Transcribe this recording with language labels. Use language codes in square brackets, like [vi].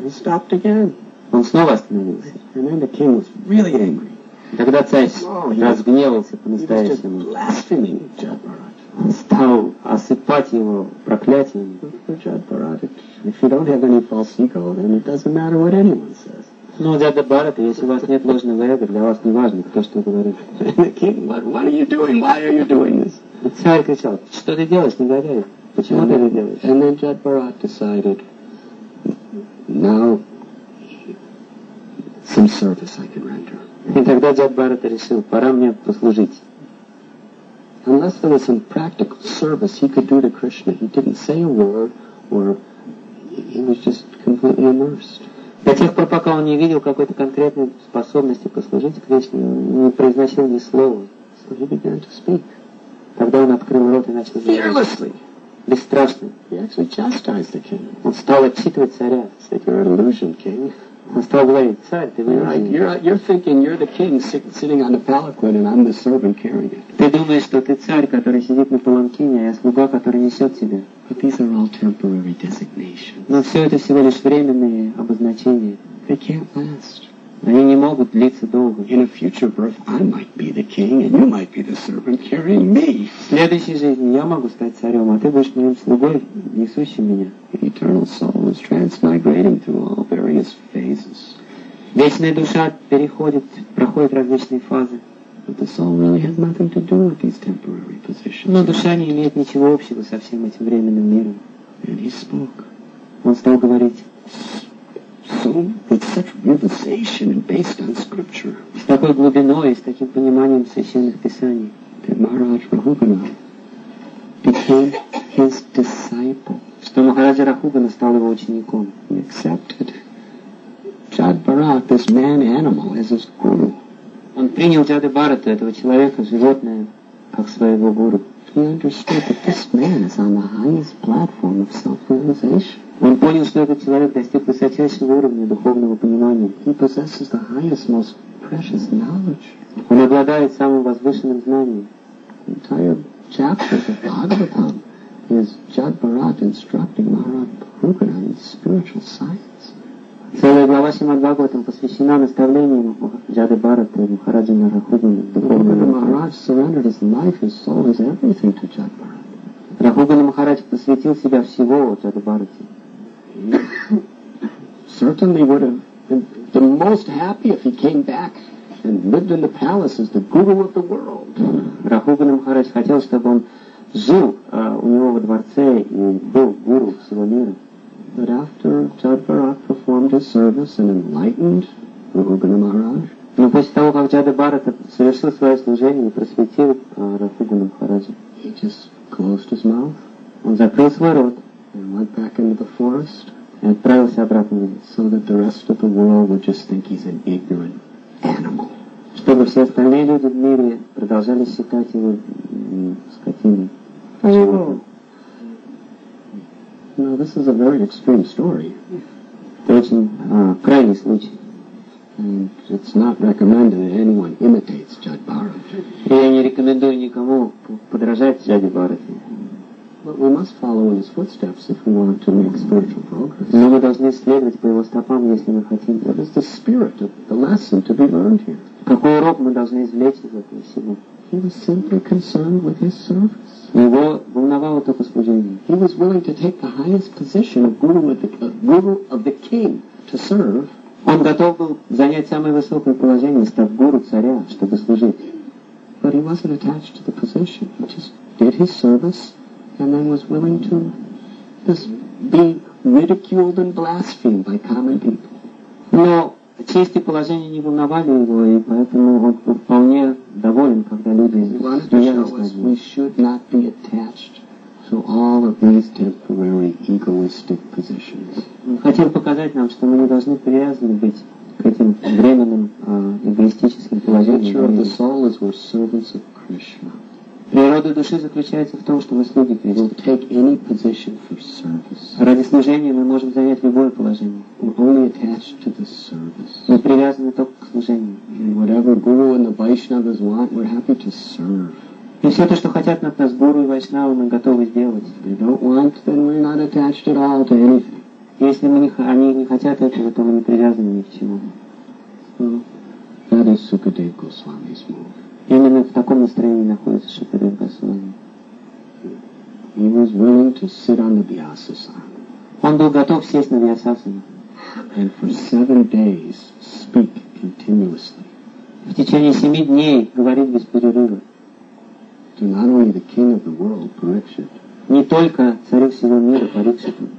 [en] He stopped again. [ru] Он снова остановился. [en] And then the king was really angry. [ru] Тогда царь разгневался по-настоящему. [en] He was just blaspheming Jadwaraj. [ru] Он стал осыпать его проклятиями. [en] Jadwaraj, if you don't have any false ego, then it doesn't matter what anyone says. [ru] Ну, дядя Барат, если у вас нет ложного эго, для вас не важно, кто что говорит. [en] The king, what are you doing? Why are you doing this? [ru] Царь кричал: "Что ты делаешь, негодяй? Почему ты это делаешь?" [en] And then Jadwaraj decided, now some service I can render. [ru] И тогда Jadwaraj решил: пора мне послужить. [en] Unless there was some practical service he could do to Krishna, he didn't say a word, or he was just completely immersed. [ru] До тех пор, пока он не видел какой-то конкретной способности послужить Кришне, он не произносил ни слова. [en] So he began to speak. [ru] Тогда он открыл рот и начал говорить. [en] Fearlessly. [ru] Бесстрашно. [en] He actually chastised the king. [ru] Он стал отчитывать царя. [en] He said, "You're an illusion, king." [ru] Он стал говорить: царь, ты выражен. [en] Right. You're thinking you're the king sitting on the palanquin and I'm the servant carrying it. [ru] Ты думаешь, что ты царь, который сидит на паланкине, а я слуга, который несет тебя. [en] But these are all temporary designations. [ru] Но все это всего лишь временные обозначения. [en] They can't last. [ru] Они не могут длиться долго. [en] In a future birth, I might be the king and you might be the servant carrying me. [ru] В следующей жизни я могу стать царем, а ты будешь моим слугой, несущим меня. [en] Eternal soul is transmigrating through all various phases. [ru] Вечная душа проходит различные фазы. [en] But the soul really has nothing to do with these temporary positions. [ru] Но душа не имеет ничего общего со всем этим временным миром. [en] And he spoke. [ru] Он стал говорить. [en] So with such realization and based on scripture. [ru] С такой глубиной, с таким пониманием священных писаний. [en] That Maharaj Rahugana became his disciple. [ru] Что Махараджа Рахугана стал его учеником. [en] He accepted Jadwaraj, this man-animal, as his guru. [ru] Он принял Jadwaraj, этого человека, животное, как своего гуру. [en] he understood that this man is on the highest platform of self-realization. [ru] Он понял, что этот человек достиг высочайшего уровня духовного понимания. [en] He possesses the highest, most precious knowledge. [ru] Он обладает самым возвышенным знанием. [en] The entire chapter of Bhagavatam is Jad Bharat instructing Maharaj Bhagavan in spiritual science. [ru] Целая глава Шримад Бхагаватам посвящена наставлению Джады Бхарата и Махараджи Нарахугана. [en] Бхагавана Махарадж surrendered his life, his soul, his everything to Jad Bharat. [ru] Рахугана Махарадж посвятил себя всего Джады Бхарате. [en] Certainly would have been the most happy if he came back and lived in the palace as the guru of the world. [ru] Рахугана Махарадж хотел, чтобы он жил у него во дворце и был гуру всего мира. [en] But after Jad Bharat performed his service and enlightened Rahugana Maharaj, [ru] но после того, как Джада Бхарата совершил свое служение и просветил Рахугана Махараджа, [en] he just closed his mouth. [ru] Он закрыл свой рот. [en] And went back into the forest. [ru] И отправился обратно. [en] So that the rest of the world would just think he's an ignorant animal. [ru] Чтобы все остальные люди в мире продолжали считать его скотиной. [en] Now this is a very extreme story. [ru] Крайний случай. [en] And it's not recommended that anyone imitates Jad Bharat. [ru] Я не рекомендую никому подражать Джаде Бхарате. [en] But we must follow in his footsteps if we want to make spiritual progress. [ru] Но мы должны следовать по его стопам, если мы хотим. [en] What is the spirit of the lesson to be learned here? [ru] Какой урок мы должны извлечь из этого всего? [en] He was simply concerned with his service. [ru] Его волновало только служение. [en] He was willing to take the highest position of guru of the king to serve. [ru] Он готов был занять самое высокое положение, стать гуру царя, чтобы служить. [en] But he wasn't attached to the position. He just did his service. And then was willing to just be ridiculed and blasphemed by common people. [ru] Но честь и положение не волновали его, и поэтому он был вполне доволен, когда люди смеялись. [en] We should not be attached to all of these temporary egoistic positions. [ru] Он хотел показать нам, что мы не должны привязаны быть к этим временным эгоистическим положениям. [en] The nature of the soul is we're servants of Krishna. [ru] Природа души заключается в том, что мы слуги Кришны. [en] We'll take any position for service. [ru] Ради служения мы можем занять любое положение. [en] We're only attached to the service. [ru] Мы привязаны только к служению. [en] And whatever guru and the Vaishnavas want, we're happy to serve. [ru] И все то, что хотят от нас гуру и вайшнавы, мы готовы сделать. [en] If they don't want, then we're not attached at all to anything. [ru] Если мы не, они не хотят этого, то мы не привязаны ни к чему. [en] So, that is Sukadeva Goswami's move. [ru] Именно в таком настроении находится Шукадев Госвами. [en] He was willing to sit on the Vyasasana. [ru] Он был готов сесть на Вьясасану. [en] And for 7 days speak continuously. [ru] В течение 7 дней говорить без перерыва. [en] To not only the king of the world, Парикшит. [ru] Не только царю всего мира, Парикшит.